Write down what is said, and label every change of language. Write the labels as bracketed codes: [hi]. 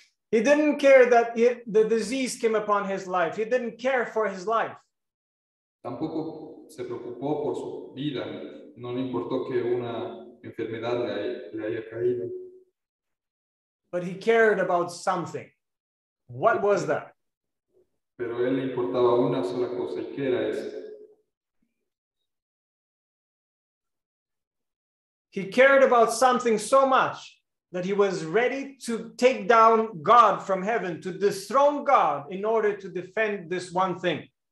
[en] He didn't care that the disease came upon his life. He didn't care for his life. [es] Tampoco se preocupó por su vida. No le importó que una enfermedad le haya caído. [en] But he cared about something. What was that? [es] Pero él le importaba una sola cosa. ¿Y qué era eso? [en] He cared about something so much that he was ready to take down God from heaven, to dethrone God in order to defend this one thing.